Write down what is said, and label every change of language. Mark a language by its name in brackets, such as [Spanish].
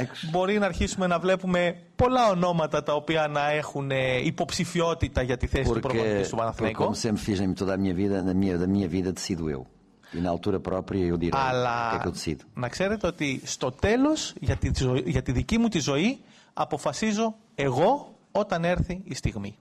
[Greek] Μπορεί να αρχίσουμε να βλέπουμε πολλά ονόματα τα οποία να έχουν υποψηφιότητα για τη θέση του προπονητής του Παναθηναϊκού. [Portuguese] Como sempre fiz em toda a minha vida, da minha vida decido eu. E na altura própria eu direi [Greek] Αλλά [Portuguese] que é que eu decido. [Greek] Να ξέρετε ότι στο τέλος για τη δική μου τη ζωή αποφασίζω εγώ όταν έρθει η στιγμή.